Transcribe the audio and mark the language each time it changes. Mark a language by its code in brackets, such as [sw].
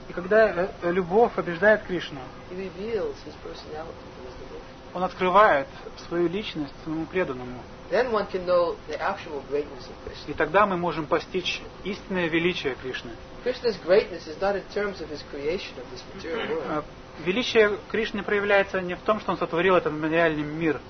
[ru] и когда любовь побеждает Кришну, [en] he reveals his personality to his devotees. [ru] Он открывает свою личность своему преданному. [en] Then one can know the actual greatness of Krishna. [ru] И тогда мы можем постичь истинное величие Кришны. [en] Krishna's greatness is not in terms of his creation of this material world. [ru] Величие Кришны проявляется не в том, что он сотворил этот материальный мир.